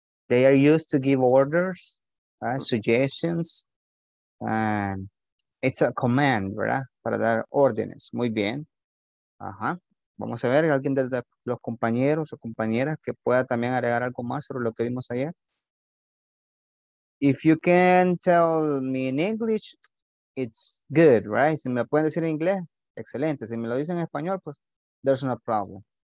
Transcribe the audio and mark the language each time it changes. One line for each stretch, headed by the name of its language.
English: They are used to give orders. Suggestions, it's a command, ¿verdad?
Spanish: Para dar órdenes. Muy bien. Ajá. Vamos a ver, alguien de los compañeros o compañeras que pueda también agregar algo más sobre lo que vimos ayer.
English: If you can tell me in English, it's good, right?
Spanish: Si me pueden decir en inglés, excelente. Si me lo dicen en español, pues,
English: there's no problem.